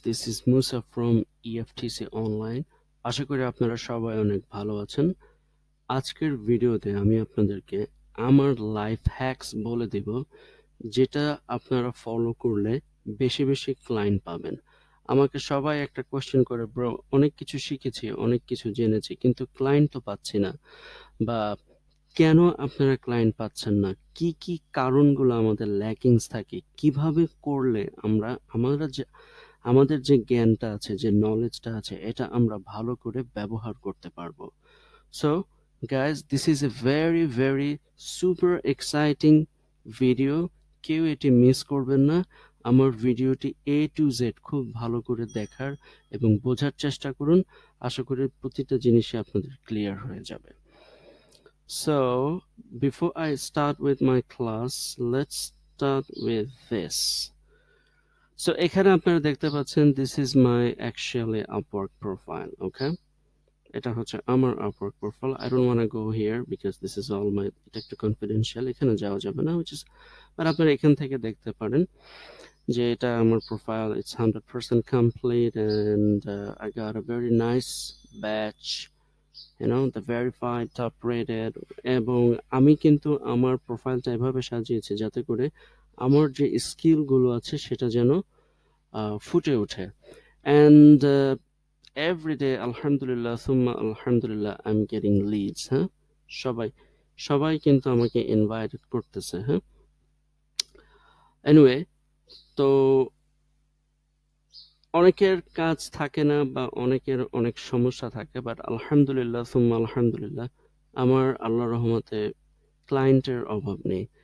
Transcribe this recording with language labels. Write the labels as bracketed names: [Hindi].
[English] This is Musa from EFTC Online. [Bangla] আশা করি আপনারা সবাই অনেক ভালো আছেন। আজকের ভিডিওতে আমি আপনাদেরকে আমার লাইফ হ্যাকস বলে দেব, যেটা আপনারা ফলো করলে বেশি বেশি ক্লায়েন্ট পাবেন। আমাকে সবাই একটা কোশ্চেন করে, ব্রো অনেক কিছু শিখেছি, অনেক কিছু জেনেছি, কিন্তু ক্লায়েন্ট তো পাচ্ছি না, বা কেন আপনারা ক্লায়েন্ট পাচ্ছেন না, কি কি কারণগুলো আমাদের ল্যাকিংস থাকে, কিভাবে করলে আমরা আমাদের যে জ্ঞানটা আছে, যে নলেজটা আছে, এটা আমরা ভালো করে ব্যবহার করতে পারবো। [English] so guys, this is a very very super exciting video, [Bangla] কেউ এটি মিস করবেন না। আমার ভিডিওটি এ টু জেড খুব ভালো করে দেখার এবং বোঝার চেষ্টা করুন। আশা করি প্রতিটা জিনিসই আপনাদের ক্লিয়ার হয়ে যাবে। [English] So, before I start with my class, let's start with this. So, [Bangla] এখানে আপনারা দেখতে পাচ্ছেন, [English] this is my actually Upwork profile, okay? [Bangla] এটা হচ্ছে আমার Upwork profile. [English] I don't want to go here because this is all my tech confidential. [Bangla] এখানে যাওয়া যাবে না, which is, but আপনারা এখান থেকে দেখতে পারেন যে এটা আমার profile. [English] It's 100% complete and I got a very nice badge. You know, the verified, top rated, [Bangla] এবং আমি কিন্তু আমার প্রোফাইলটা এভাবে সাজিয়েছি যাতে করে আমার যে স্কিলগুলো আছে সেটা যেন ফুটে ওঠে। [English] And every day, alhamdulillah, summa alhamdulillah, I'm getting leads, huh? [Bangla] সবাই কিন্তু আমাকে ইনভাইট করতেছে, হ্যাঁ। Anyway, তো অনেকের কাজ থাকে না বা অনেকের অনেক সমস্যা থাকে, বাট আলহামদুলিল্লাহ, সুম্মা আলহামদুলিল্লাহ, আমার আল্লাহর রহমতে ক্লায়েন্টের অভাব নেই।